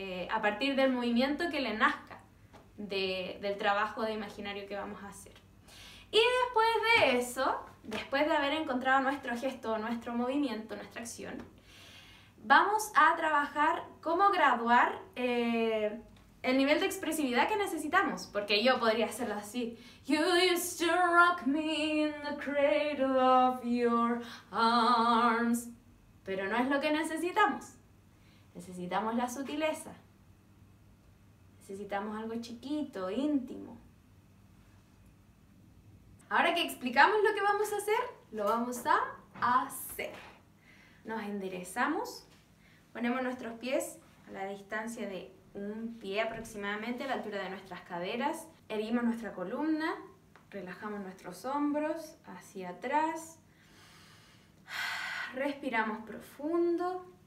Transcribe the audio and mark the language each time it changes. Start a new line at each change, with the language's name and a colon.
Spanish: A partir del movimiento que le nazca del trabajo de imaginario que vamos a hacer. Y después de eso, después de haber encontrado nuestro gesto, nuestro movimiento, nuestra acción, vamos a trabajar cómo graduar el nivel de expresividad que necesitamos. Porque yo podría hacerlo así.
English: You used to rock me in the cradle of your arms.
Spanish: Pero no es lo que necesitamos. Necesitamos la sutileza. Necesitamos algo chiquito, íntimo. Ahora que explicamos lo que vamos a hacer, lo vamos a hacer. Nos enderezamos, ponemos nuestros pies a la distancia de un pie aproximadamente, a la altura de nuestras caderas, erguimos nuestra columna, relajamos nuestros hombros hacia atrás, respiramos profundo.